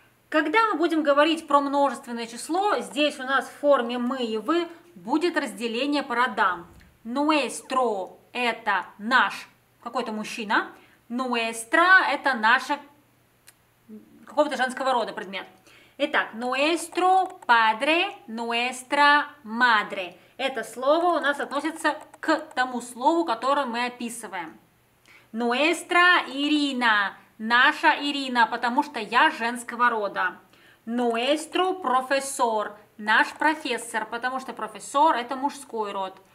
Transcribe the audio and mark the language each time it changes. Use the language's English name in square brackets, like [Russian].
[Russian] Когда мы будем говорить про множественное число, здесь у нас в форме «мы» и «вы» будет разделение по родам. [Spanish] «Nuestro» [Russian] – это наш какой-то мужчина. [Spanish] «Nuestra» [Russian] – это наше какого-то женского рода предмет. Итак, [Spanish] «nuestro padre», «nuestra madre». [Russian] Это слово у нас относится к тому слову, которое мы описываем. [Spanish] «Nuestra [Russian] Ирина». Наша Ирина, потому что я женского рода. [Spanish] Nuestro profesor. [Russian] Наш профессор, потому что профессор – это мужской род.